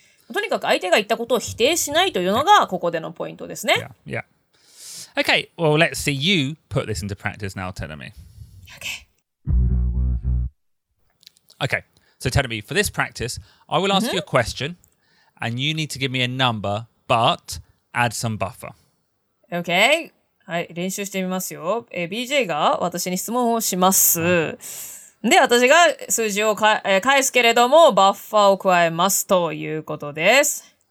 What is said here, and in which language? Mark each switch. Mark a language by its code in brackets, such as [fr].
[en] Yeah. [ja] とにかく相手が言ったことを否定しないというのがここでのポイントですね。 [en] Yeah. Yeah. Okay, well, let's see you put this into practice now, Telemi. Okay. Okay. So, Tanami, for this practice, I will ask you a question, and you need to give me a number, but add some buffer. Okay. [ja] はい、練習してみますよ。BJ が私に質問をします。で、私が数字を返すけれども、バッファーを加えますということです。